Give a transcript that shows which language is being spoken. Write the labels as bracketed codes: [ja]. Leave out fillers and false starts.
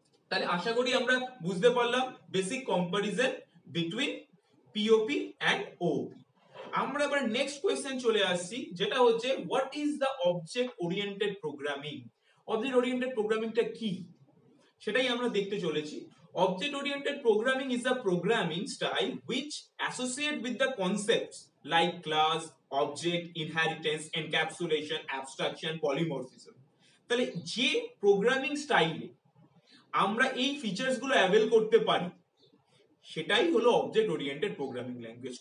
[bn] তাহলে আশা করি আমরা বুঝতে পারলাম [en] Basic comparison between POP and OP. [bn] আমরা এবার নেক্সট কোয়েশ্চেন চলে আসছি, যেটা হচ্ছে [en] What is the object oriented programming. [bn] Object oriented প্রোগ্রামিংটা কি সেটাই আমরা দেখতে চলেছি। [en] Object oriented programming is a programming style which associates with the concepts like class, object, inheritance, encapsulation, abstraction, polymorphism. [bn] তাহলে যে programming style আমরা এই features গুলো avail করতে পারি সেটাই হলো [en] object oriented programming language.